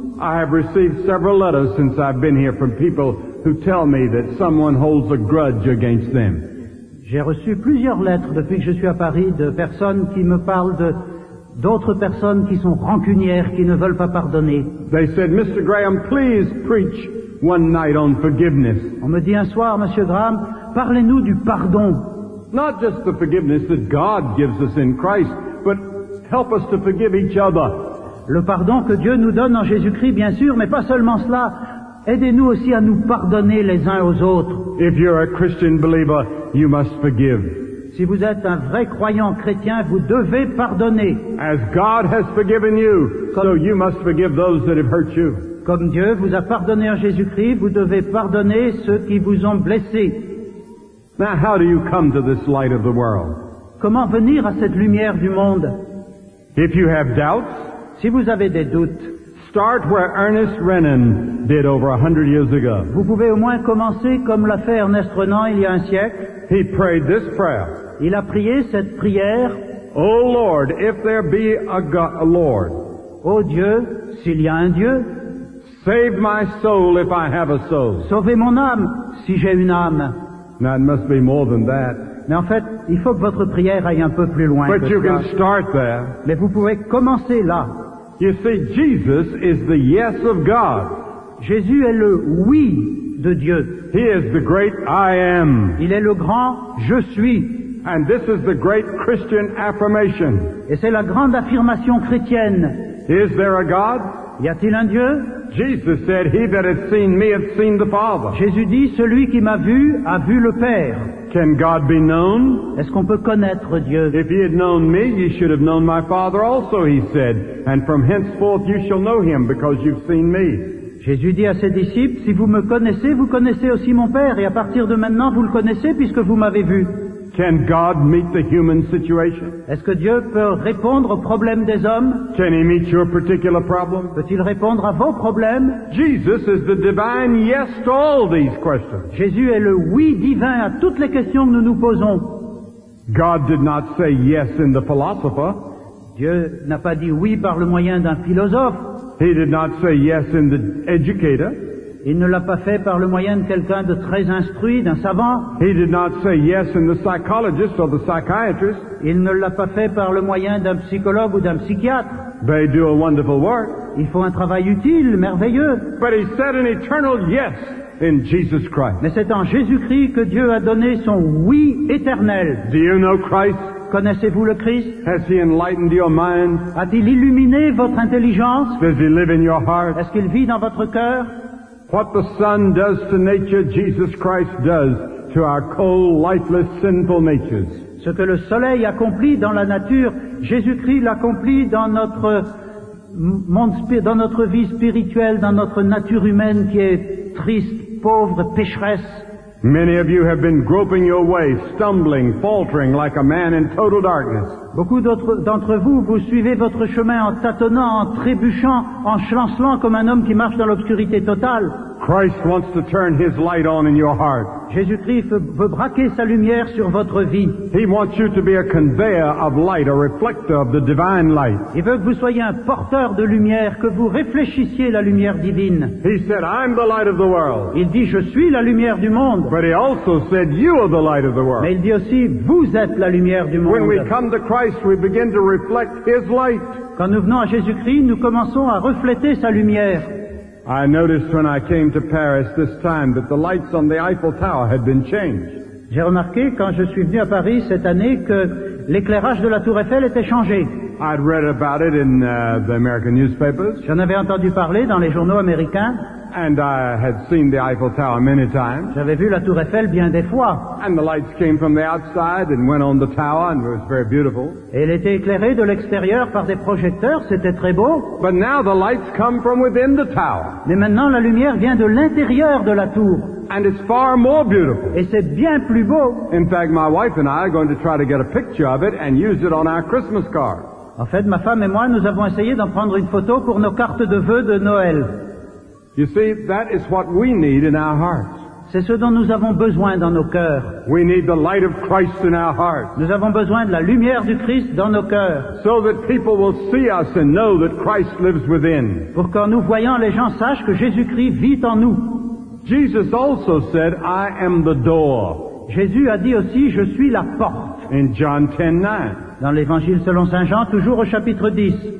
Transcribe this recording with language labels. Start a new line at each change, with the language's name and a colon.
English: I have received several letters since I've been here from people who tell me that someone holds a grudge against them.
French: J'ai reçu plusieurs lettres depuis que je suis à Paris de personnes qui me parlent d'autres personnes qui sont rancunières, qui ne veulent pas pardonner.
English: They said, Mr. Graham, please preach one night on forgiveness.
French: On me dit un soir, Monsieur Graham, parlez-nous du pardon.
English: Not just the forgiveness that God gives us in Christ, but help us to forgive each other.
French: Le pardon que Dieu nous donne en Jésus-Christ, bien sûr, mais pas seulement cela. Aidez-nous aussi à nous pardonner les uns aux autres.
English: If you're a Christian believer, you must forgive.
French: Si vous êtes un vrai croyant chrétien, vous devez pardonner.
English: As God has forgiven you, so you must forgive those that have hurt you.
French: Comme Dieu vous a pardonné en Jésus-Christ, vous devez pardonner ceux qui vous ont blessé.
English: Now, how do you come to this light of the world?
French: Comment venir à cette lumière du monde?
English: If you have doubts,
French: si vous avez des doutes,
English: start where Ernest Renan did over 100 years ago.
French: Vous pouvez au moins commencer comme l'a fait Ernest Renan il y a un siècle.
English: He prayed this prayer.
French: Il a prié cette prière.
English: Oh Lord, if there be a Lord.
French: Oh Dieu, s'il y a un Dieu.
English: Save my soul if I have a soul.
French: Sauvez mon âme si j'ai une âme.
English: Now it must be more than that.
French: Mais en fait, il faut que votre prière aille un peu plus loin.
English: But you can start there.
French: Mais vous pouvez commencer là.
English: You see, Jesus is the yes of God.
French: Jésus est le oui de Dieu.
English: He is the great I am.
French: Il est le grand je suis.
English: And this is the great Christian affirmation.
French: Et c'est la grande affirmation chrétienne.
English: Is there a God?
French: Y a-t-il un Dieu?
English: Jesus said, he that hath seen me hath seen the Father.
French: Jésus dit, celui qui m'a vu a vu le Père.
English: Can God be known?
French: Est-ce qu'on peut connaître Dieu?
English: If he had known me, ye should have known my Father also, he said. And from henceforth you shall know him, because you've seen me.
French: Jésus dit à ses disciples, si vous me connaissez, vous connaissez aussi mon Père. Et à partir de maintenant, vous le connaissez, puisque vous m'avez vu.
English: Can God meet the human situation?
French: Est-ce que Dieu peut répondre aux problèmes des hommes?
English: Can he meet your particular problem?
French: Peut-il répondre à vos problèmes?
English: Jesus is the divine yes to all these questions.
French: Jésus est le oui divin à toutes les questions que nous nous posons.
English: God did not say yes in the philosopher.
French: Dieu n'a pas dit oui par le moyen d'un philosophe.
English: He did not say yes in the educator.
French: Il ne l'a pas fait par le moyen de quelqu'un de très instruit, d'un savant.
English: He did not say yes in the psychologist or the psychiatrist.
French: Il ne l'a pas fait par le moyen d'un psychologue ou d'un psychiatre.
English: They do a wonderful work.
French: Ils font un travail utile, merveilleux.
English: But he said an eternal yes in Jesus Christ.
French: Mais c'est en Jésus-Christ que Dieu a donné son oui éternel.
English: Do you know Christ?
French: Connaissez-vous le Christ?
English: Has he enlightened your mind?
French: A-t-il illuminé votre intelligence?
English: Does he live in your heart?
French: Est-ce qu'il vit dans votre cœur?
English: What the Son does to nature, Jesus Christ does to our cold, lifeless, sinful natures.
French: Ce que le soleil accomplit dans la nature, Jésus-Christ l'accomplit dans notre monde, dans notre vie spirituelle, dans notre nature humaine qui est triste, pauvre, pécheresse.
English: Many of you have been groping your way, stumbling, faltering like a man in total darkness.
French: Beaucoup d'entre vous, vous suivez votre chemin en tâtonnant, en trébuchant, en chancelant comme un homme qui marche dans l'obscurité totale.
English: Christ wants to turn his light on in your heart.
French: Jésus-Christ veut braquer sa lumière sur votre vie.
English: He wants you to be a conveyor of light, a reflector of the divine light.
French: Il veut que vous soyez un porteur de lumière, que vous réfléchissiez la lumière divine.
English: He said, I'm the light of the world.
French: Il dit, je suis la lumière du monde.
English: But he also said, you are the light of the world.
French: Mais il dit aussi, vous êtes la lumière du monde.
English: When we come to Christ, we begin to reflect his light.
French: Quand nous venons à Jésus-Christ, nous commençons à refléter sa lumière.
English: I noticed when I came to Paris this time that the lights on the Eiffel Tower had been changed.
French: J'ai remarqué quand je suis venu à Paris cette année que l'éclairage de la Tour Eiffel était changé.
English: I'd read about it in the American newspapers.
French: J'en avais entendu parler dans les journaux américains.
English: And I had seen the Eiffel Tower many times.
French: J'avais vu la Tour Eiffel bien des fois.
English: And the lights came from the outside and went on the tower and it was very beautiful.
French: Et elle était éclairée de l'extérieur par des projecteurs, c'était très beau.
English: But now the lights come from within the tower.
French: Mais maintenant la lumière vient de l'intérieur de la tour.
English: And it's far more beautiful.
French: Et c'est bien plus beau.
English: In fact, my wife and I are going to try to get a picture of it and use it on our Christmas card.
French: En fait, ma femme et moi, nous avons essayé d'en prendre une photo pour nos cartes de vœux de Noël.
English: You see, that is what we need in our hearts.
French: C'est ce dont nous avons besoin dans nos cœurs.
English: We need the light of Christ in our hearts.
French: Nous avons besoin de la lumière du Christ dans nos cœurs.
English: So that people will see us and know that Christ lives within.
French: Pour qu'en nous voyant, les gens sachent que Jésus-Christ vit en nous.
English: Jesus also said, I am the door.
French: Jésus a dit aussi, je suis la porte.
English: In John 10:9.
French: Dans l'Évangile selon Saint Jean, toujours au chapitre 10.